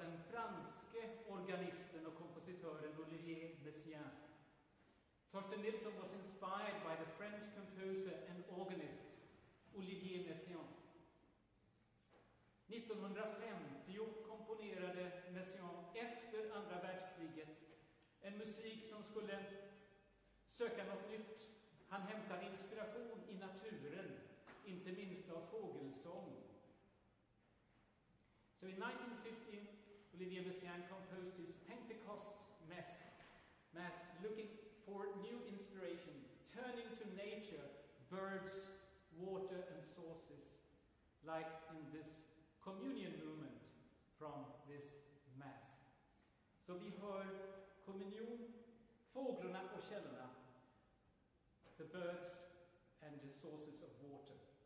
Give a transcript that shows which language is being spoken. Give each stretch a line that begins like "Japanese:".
Swedish: franske organisten och kompositören Olivier Messiaen.
English: Torsten Nilsson was inspired by the French composer and organist Olivier Messiaen.
Swedish: 1950 komponerade Messiaen efter andra världskriget en musik som skulle söka något nytt. Han hämtade inspiration i naturen, inte minst av fågelsång.
English: So in 1950, Olivier Messiaen composed his Pentecost Mass, looking for new inspiration, turning to nature, birds, water and sources, like in this communion movement from this Mass.
Swedish: So vi hör kommunion, fåglarna och källorna,
English: the birds and the sources of water.